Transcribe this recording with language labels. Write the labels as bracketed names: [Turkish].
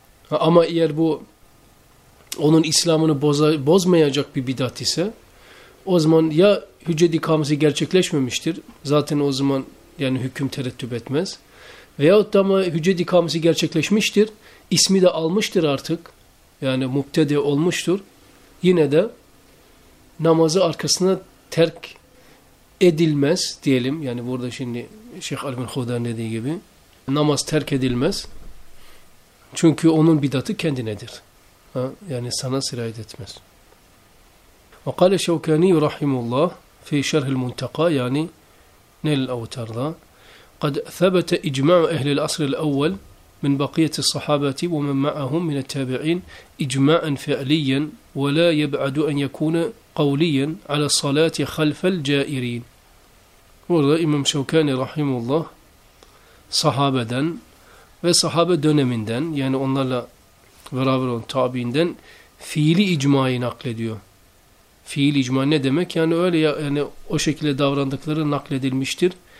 [Turkish] Ama eğer bu onun İslam'ını bozmayacak bir bidat ise, o zaman ya hüccet ikamesi gerçekleşmemiştir, zaten o zaman yani hüküm tereddüt etmez, veyahut da ama hüccet ikamesi gerçekleşmiştir, ismi de almıştır artık, yani mubtedi olmuştur, yine de namazı arkasına terk edilmez diyelim. Yani burada şimdi Şeyh Ali bin Hudan dediği gibi namaz terk edilmez. Çünkü onun bidatı kendinedir. Ha? Yani sana sirayet etmez. Ve kâle Şevkânî rahimullah fî şerhil muntaka, yani Nel Avtar'da, [Arabic] قَدْ ثَبَتَ اِجْمَعُ اَهْلِ الْأَصْرِ الْاَوَّلِ مِنْ بَقِيَةِ الصَّحَابَةِ وَمَنْ مَعَهُمْ مِنَ التَّابِعِينَ اِجْمَعًا فِعْلِيًّا وَلَا يَبْعَدُ اَنْ يَكُونَ قَوْلِيًّا عَلَى الصَّلَاةِ خَلْفَ الْجَائِرِينَ. [Turkish] Burada İmam Şevkani rahimullah sahabeden ve sahabe döneminden, yani onlarla beraber olan tabiinden fiili icmayı naklediyor. Fiili icma ne demek? Yani öyle ya, yani o şekilde davrandıkları nakledilmiştir.